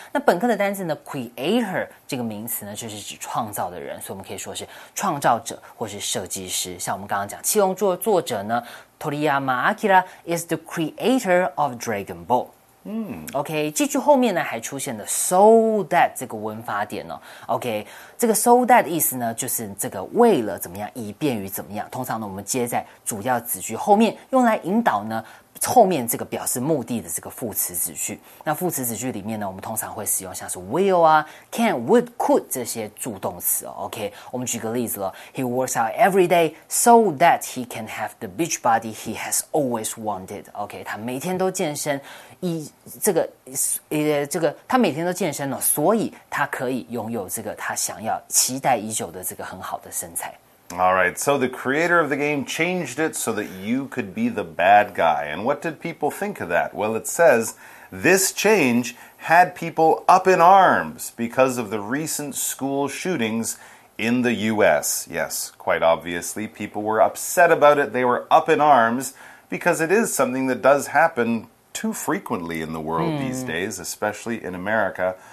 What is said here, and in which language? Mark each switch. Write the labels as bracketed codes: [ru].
[zh] 那本科的单字呢 ,creator 这个名词呢就是指创造的人。所以我们可以说是创造者或是设计师。像我们刚刚讲七龙珠的作者呢 [en] Toriyama Akira is the creator of Dragon Ball. [zh] OK, 这句后面呢还出现了 so that 这个文法点哦。 OK, 这个 so that 意思呢就是这个为了怎么样以便于怎么样。通常呢我们接在主要子句后面用来引导呢后面这个表示目的的这个副词子句。那副词子句里面呢我们通常会使用像是 will 啊 can, would, could 这些助动词哦。 OK, 我们举个例子了。 [en] He works out every day so that he can have the beach body he has always wanted. [zh] OK, 他每天都健身以这个他每天都健身了所以他可以拥有这个他想要期待已久的这个很好的身材。 [en] All right, so the creator of the game changed it so that you could be the bad guy. And what did people think of that? Well, it says, this change had people up in arms because of the recent school shootings in the U.S. Yes, quite obviously, people were upset about it. They were up in arms because it is something that does happen too frequently in the world these days, especially in America.